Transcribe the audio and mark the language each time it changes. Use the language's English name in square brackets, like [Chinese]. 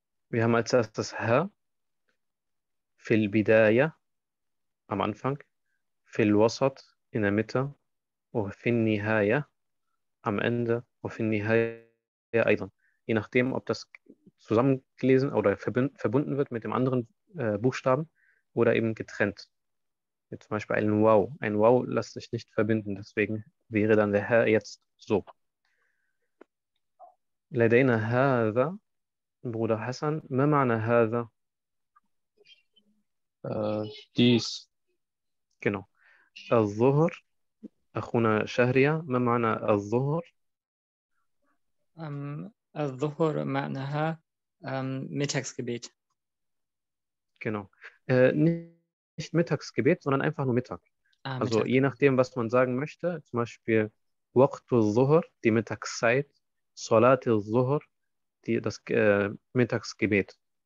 [German] Wir haben als erstes H, fil Bidaya, am Anfang, fil Wasat, in der Mitte, und fil Nihaya, am Ende, und fil Nihaya, eidan. Je nachdem, ob das zusammengelesen oder verbunden wird mit dem anderen Buchstaben oder eben getrennt. Jetzt zum Beispiel ein Wow. Ein Wow lässt sich nicht verbinden, deswegen wäre dann der Herr jetzt so. [Arabic] لدينا هذا, Bruder Hassan, ما معنى هذا? [German] Dies. Genau. [Arabic] الظهر, أخونا شهريا, ما معنى الظهر? الظهر معناها Mittagsgebet. [German] Genau. Nicht Mittagsgebet, sondern einfach nur Mittag. Ah, Also Mittag. je nachdem, was man sagen möchte, zum Beispiel Waqtu al-Zuhr, die Mittagszeit, Salat al-Zuhr, das Mittagsgebet.